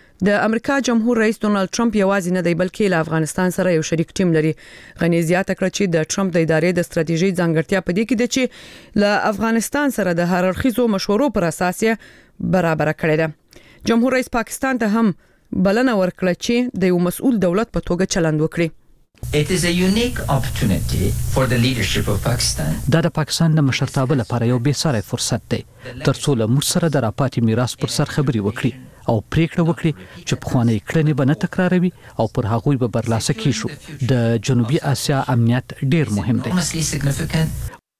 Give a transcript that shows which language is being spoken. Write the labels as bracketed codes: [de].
[ps] د امریکا جمهور رئیس ډونالډ ټرمپ یوازې نه دی بلکې له افغانستان سره یو شریک ټیم لري غنی زیاته کړه چې د ټرمپ د ادارې د ستراتیژي ځانګړتیا په دې کې ده چې له افغانستان سره د هر اړخیزو مشورو پر اساس برابر کړی دی جمهور رئیس پاکستان ته هم بلنه ورکړه چې د یو مسؤل دولت په توګه چلند وکړي [en] It is a unique opportunity for the leadership of Pakistan. [ps] دا پاکستان د مشرتابه لپاره یو بیساره فرصت دی تر څو له موږ سره د راپاتې میراث پر سر خبري وکړي او پریکړه وکړي چې په خوانی کړنې به نه تکراروي او پر هغوی به برلاسه کیږي د جنوبی آسیا امنیت ډیر مهم دی